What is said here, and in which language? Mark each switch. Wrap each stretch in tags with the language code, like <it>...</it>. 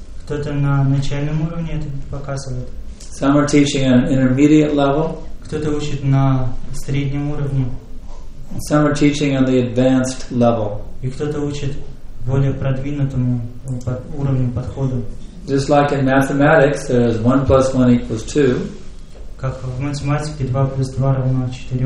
<ru>Кто-то на начальном уровне это показывает.</ru> <en>Some are teaching on an intermediate level.</en> <ru>Кто-то учит на среднем уровне.</ru> <en>Some are teaching on the advanced level.</en> <ru>И кто-то учит более продвинутому уровню подхода.</ru> <en>Just like in mathematics, there is 1 plus 1 equals 2.</en> <ru>Как в математике 2 плюс 2 равно 4.</ru>